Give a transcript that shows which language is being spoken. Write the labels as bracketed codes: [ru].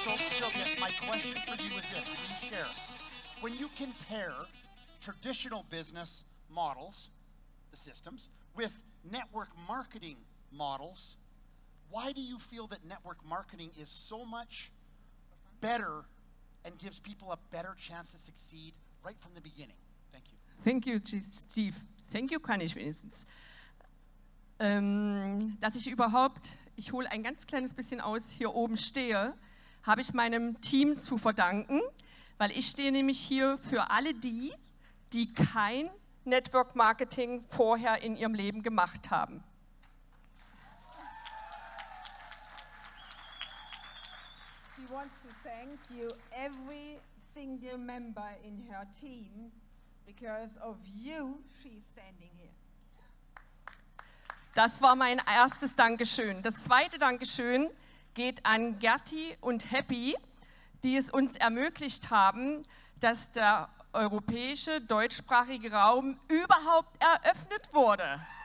[en] So, Sylvia, my question for you is this. Can you share? When you compare traditional business models, the systems, with network marketing models, why do you feel that network marketing is so much better and gives people a better chance to succeed right from the beginning? Thank you. Thank you, Steve. Thank you, [de] kann ich wenigstens. Dass ich überhaupt, ich hole ein ganz kleines bisschen aus, hier oben stehe, habe ich meinem Team zu verdanken, weil ich stehe nämlich hier für alle die, die kein Network Marketing vorher in ihrem Leben gemacht haben. [en] She wants to thank you, every single member in her team, because of you, she's standing here. [de] Das war mein erstes Dankeschön. Das zweite Dankeschön geht an Gerti und Happy, die es uns ermöglicht haben, dass der europäische deutschsprachige Raum überhaupt eröffnet wurde.